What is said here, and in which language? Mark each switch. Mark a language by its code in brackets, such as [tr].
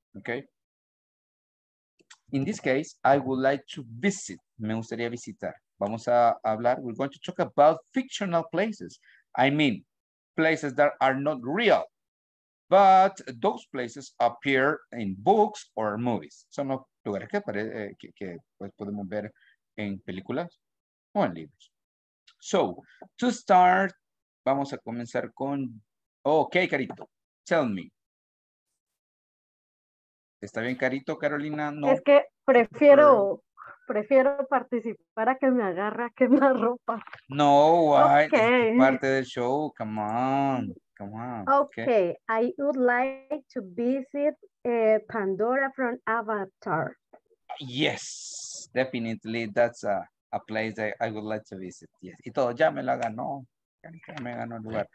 [en] Okay, in this case, I would like to visit. [es] Me gustaría visitar. Vamos a hablar. [en] We're going to talk about fictional places. I mean, places that are not real, but those places appear in books or movies. [es] Son los lugares que podemos ver en películas o en libros. [en] So, to start, [es] vamos a comenzar con... [en] Ok, Carito, tell me. [es] ¿Está bien, Carito, Carolina? No. Es que prefiero participar a que me agarre a quemar ropa. [en] No, why? Okay. [es] Es parte del show, [en] come on. Okay, I would like to visit Pandora from Avatar. Yes, definitely. That's a place that I would like to visit. [es] Yes. Y todo, ya me la ganó. Ya me ganó el lugar.